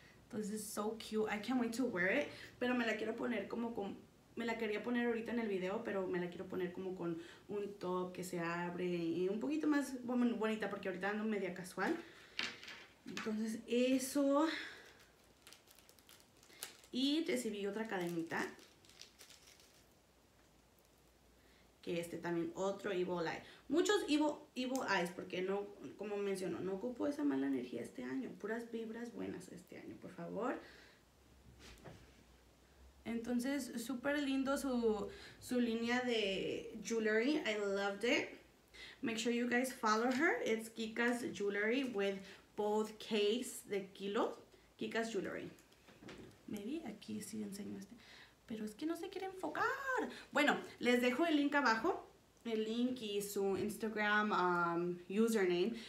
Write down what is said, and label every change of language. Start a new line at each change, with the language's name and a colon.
English: This is so cute, I can't wait to wear it.
Spanish: Pero me la quiero poner como con, me la quería poner ahorita en el video, pero me la quiero poner como con un top que se abre y un poquito más bonita, porque ahorita ando media casual. Entonces eso, y recibí otra cadenita, que también otro evil eye, muchos evil eyes, porque no, como mencionó, no ocupo esa mala energía este año, puras vibras buenas este año, por favor. Entonces súper lindo su línea de jewelry,
English: I loved it. Make sure you guys follow her, it's Kika's Jewelry with Both case de kilo, Kika's Jewelry. Maybe
Spanish: aquí sí enseño este. Pero es que no se quiere enfocar. Bueno, les dejo el link abajo. El link y su Instagram username.